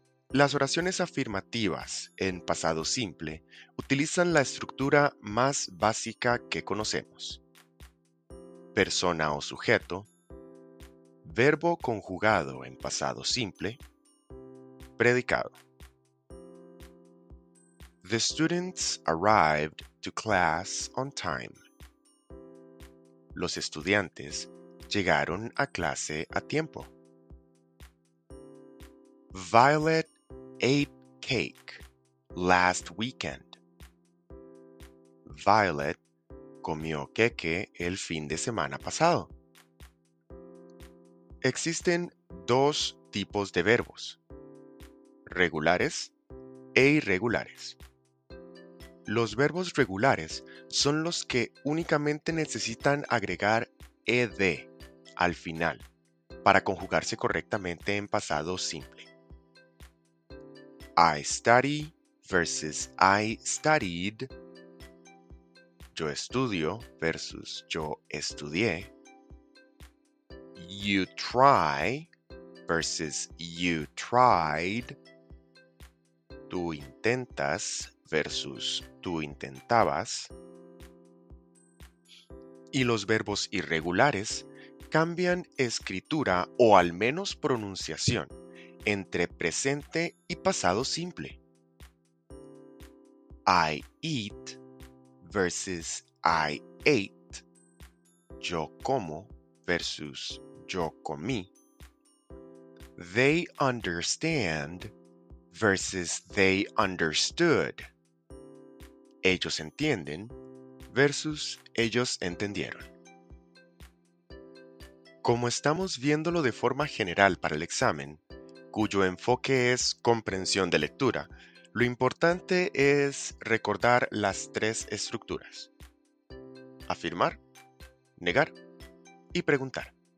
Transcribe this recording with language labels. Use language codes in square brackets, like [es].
[es] Las oraciones afirmativas en pasado simple utilizan la estructura más básica que conocemos. Persona o sujeto, verbo conjugado en pasado simple, predicado. [en] The students arrived to class on time. [es] Los estudiantes llegaron a clase a tiempo. [en] Violet ate cake last weekend. [es] Violet comió queque el fin de semana pasado. Existen dos tipos de verbos: regulares e irregulares. Los verbos regulares son los que únicamente necesitan agregar ed al final para conjugarse correctamente en pasado simple. [en] I study versus I studied. [es] Yo estudio versus yo estudié. [en] You try versus you tried. [es] Tú intentas versus tú intentabas. Y los verbos irregulares cambian escritura o al menos pronunciación entre presente y pasado simple. [en] I eat versus I ate. [es] Yo como versus yo comí. [en] They understand versus they understood. [es] Ellos entienden versus ellos entendieron. Como estamos viéndolo de forma general para el examen, cuyo enfoque es comprensión de lectura, lo importante es recordar las tres estructuras: afirmar, negar y preguntar.